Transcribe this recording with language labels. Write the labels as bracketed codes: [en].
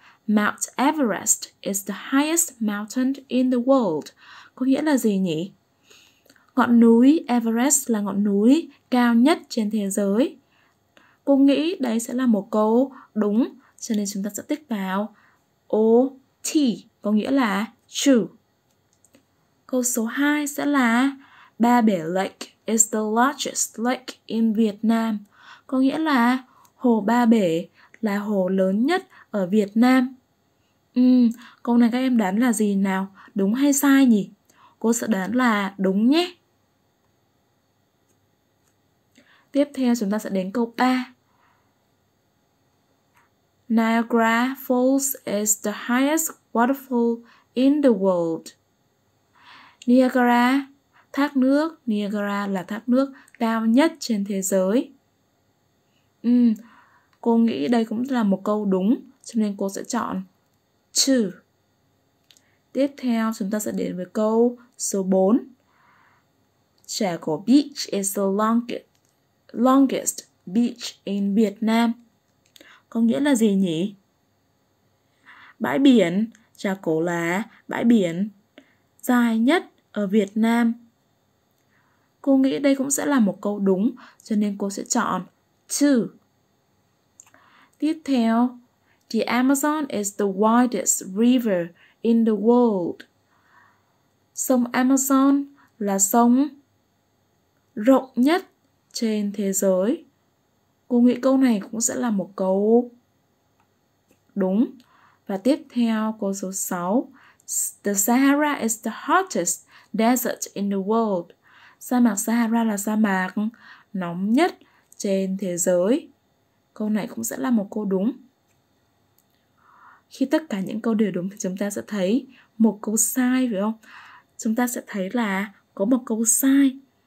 [en] Mount Everest is the highest mountain in the world. [vi] Có nghĩa là gì nhỉ? Ngọn núi Everest là ngọn núi cao nhất trên thế giới. Cô nghĩ đây sẽ là một câu đúng, cho nên chúng ta sẽ tích vào O T, có nghĩa là true. Câu số 2 sẽ là [en] Ba Bể Lake is the largest lake in Vietnam. [vi] Có nghĩa là hồ Ba Bể là hồ lớn nhất ở Việt Nam. Câu này các em đoán là gì nào? Đúng hay sai nhỉ? Cô sẽ đoán là đúng nhé. Tiếp theo chúng ta sẽ đến câu 3. [en] Niagara Falls is the highest waterfall in the world. [vi] Niagara, thác nước. Niagara là thác nước cao nhất trên thế giới. Cô nghĩ đây cũng là một câu đúng, cho nên cô sẽ chọn 2. Tiếp theo chúng ta sẽ đến với câu số 4. [en] Chaco Beach is the longest beach in Vietnam. [vi] Có nghĩa là gì nhỉ? Bãi biển Chaco là bãi biển dài nhất ở Việt Nam. Cô nghĩ đây cũng sẽ là một câu đúng, cho nên cô sẽ chọn 2. Tiếp theo, [en] The Amazon is the widest river in the world. [vi] Sông Amazon là sông rộng nhất trên thế giới. Cô nghĩ câu này cũng sẽ là một câu đúng. Và tiếp theo, câu số 6. [en] The Sahara is the hottest desert in the world. [vi] Sa mạc Sahara là sa mạc nóng nhất trên thế giới. Câu này cũng sẽ là một câu đúng. Khi tất cả những câu đều đúng thì chúng ta sẽ thấy một câu sai, phải không? Chúng ta sẽ thấy là có một câu sai.